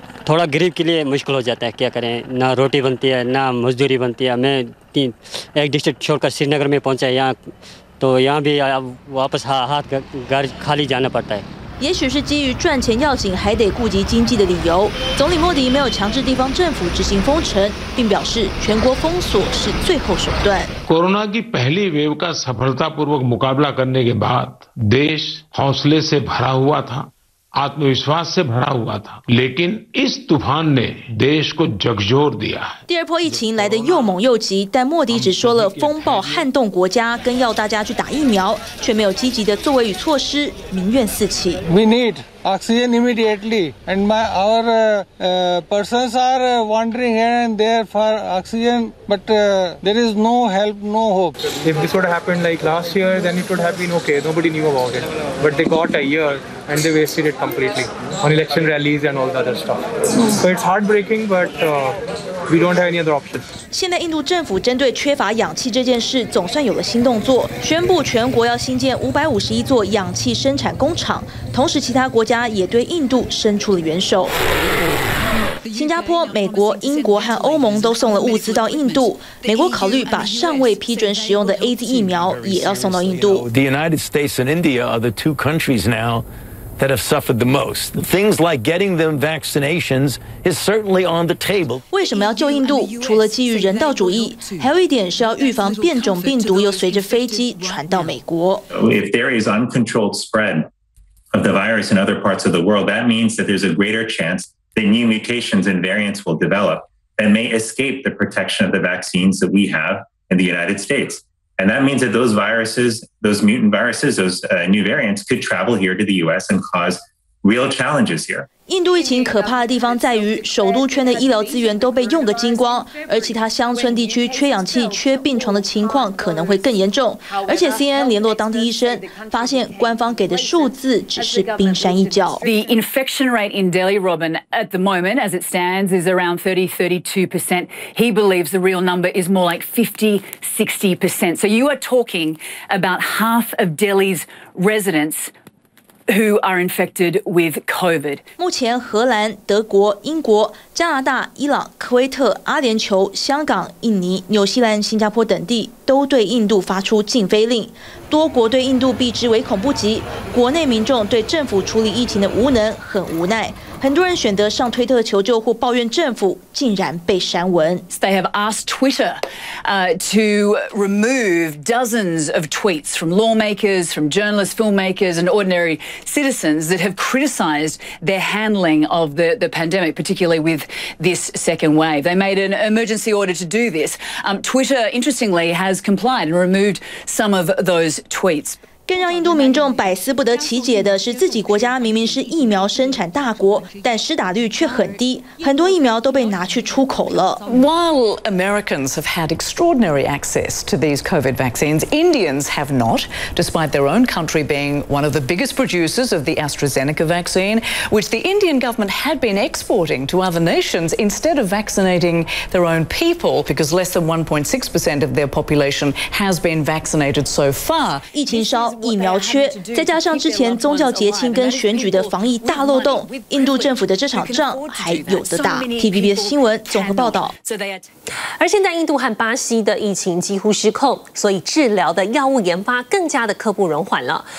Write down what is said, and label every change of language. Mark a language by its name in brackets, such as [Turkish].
[Hindi] थोड़ा गरीब के लिए मुश्किल हो जाता है क्या करें ना रोटी बनती है ना मजदूरी बनती है मैं तीन एक डिस्ट्रिक्ट छोड़कर श्रीनगर में पहुंचा यहां तो यहां भी वापस हाथ घर खाली जाना पड़ता है [Chinese] 也许是基于赚钱要紧还得顾及经济的理由，总理莫迪没有强制地方政府执行封城，并表示全国封锁是最后手段。 [Hindi] कोरोना की पहली वेव का सफलतापूर्वक मुकाबला करने के बाद देश हौसले से भरा हुआ था, आत्मविश्वास से भरा हुआ था, लेकिन इस तूफान ने देश को झकझोर दिया। [Chinese] 第二波疫情来得又猛又急，但莫迪只说了风暴撼动国家，跟要大家去打疫苗，却没有积极的作为与措施，民怨四起。 [English] We need oxygen immediately, and our persons are wandering here and there for oxygen, but there is no help, no hope. If this would have happened like last year, then it would have been okay. Nobody knew about it, but they got a year and they wasted it completely on election rallies and all the other stuff. So it's heartbreaking, but we don't have any other options. [Chinese] 现在印度政府针对缺乏氧气这件事总算有了新动作，宣布全国要新建551座氧气生产工厂，同时其他国家也对印度伸出了援手。新加坡、美国、英国和欧盟都送了物资到印度。美国考虑把尚未批准使用的 A Z 疫苗也要送到印度。 [English] The United States and India are the two countries now that have suffered the most. Things like getting them vaccinations is certainly on the table. [Chinese] 为什么要救印度？除了基于人道主义，还有一点是要预防变种病毒又随着飞机传到美国。 [English] If there is uncontrolled spread of the virus in other parts of the world, that means that there's a greater chance that new mutations and variants will develop and may escape the protection of the vaccines that we have in the United States. And that means that those viruses, those mutant viruses, those new variants could travel here to the US and cause real challenges here. [Chinese] 印度疫情可怕的地方在于，首都圈的医疗资源都被用个精光，而其他乡村地区缺氧气、缺病床的情况可能会更严重。而且 CNN 联络当地医生，发现官方给的数字只是冰山一角。 [English] The infection rate in Delhi, Robin, at the moment as it stands, is around 30-32%. He believes the real number is more like 50-60%. So you are talking about half of Delhi's residents who are infected with COVID. [Chinese] 目前荷兰、德国、英国、加拿大、伊朗、科威特、阿联酋、香港、印尼、纽西兰、新加坡等地都对印度发出禁飞令，多国对印度避之唯恐不及，国内民众对政府处理疫情的无能很无奈，很多人选择上推特求救或抱怨政府竟然被删文。 [English] They have asked Twitter to remove dozens of tweets from lawmakers, from journalists, filmmakers and ordinary citizens that have criticized their handling of the pandemic, particularly with this second wave. They made an emergency order to do this. Twitter, interestingly, has complied and removed some of those tweets. [Chinese] 更让印度民众百思不得其解的是，自己国家明明是疫苗生产大国，但施打率却很低，很多疫苗都被拿去出口了。 [English] While Americans have had extraordinary access to these COVID vaccines, Indians have not, despite their own country being one of the biggest producers of the AstraZeneca vaccine, which the Indian government had been exporting to other nations instead of vaccinating their own people, because less than 1.6% of their population has been vaccinated so far. [Chinese] 疫情烧。疫苗缺，再加上之前宗教节庆跟选举的防疫大漏洞，印度政府的这场仗还有的打。 TVBS 新闻综合报道。而现在印度和巴西的疫情几乎失控，所以治疗的药物研发更加的刻不容缓了。